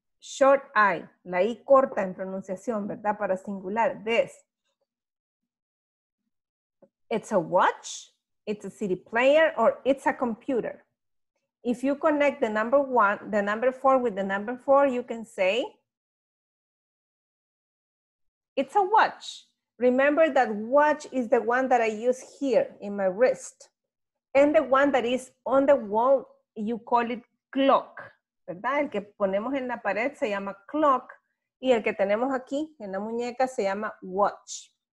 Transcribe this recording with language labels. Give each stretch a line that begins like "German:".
Spanish: Short I, la I corta en pronunciación, ¿verdad? Para singular, this.
English: It's a watch, it's a CD player, or it's a computer. If you connect the number one, the number four with the number four, you can say, it's a watch. Remember that watch is the one that I use here in my wrist. And the one that is on the wall, you call it clock, ¿verdad?
Spanish: El que ponemos en la pared se llama clock. Y el que tenemos aquí en la muñeca se llama watch.